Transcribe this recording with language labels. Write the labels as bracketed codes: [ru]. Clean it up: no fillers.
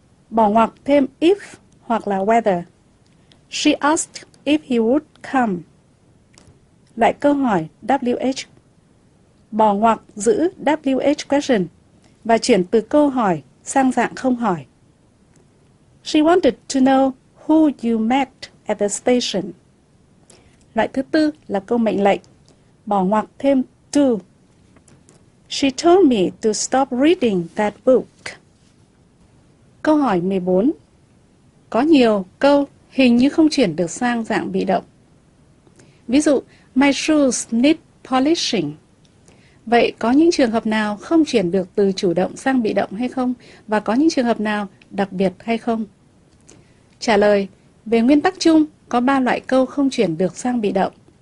[vi] Bỏ ngoặc thêm [en] if [vi] hoặc là [en] whether. She asked if he would come. [vi] Loại câu hỏi WH. Bỏ ngoặc giữ WH question và chuyển từ câu hỏi sang dạng không hỏi. [en] She wanted to know who you met at the station. [vi] Loại thứ tư là câu mệnh lệnh. Bỏ ngoặc thêm to. [en] She told me to stop reading that book. [vi] Câu hỏi 14. Có nhiều câu hình như không chuyển được sang dạng bị động. Ví dụ, [en] my shoes need polishing. [vi] Vậy có những trường hợp nào không chuyển được từ chủ động sang bị động hay không? Và có những trường hợp nào đặc biệt hay không? Trả lời, về nguyên tắc chung, có 3 loại câu không chuyển được sang bị động.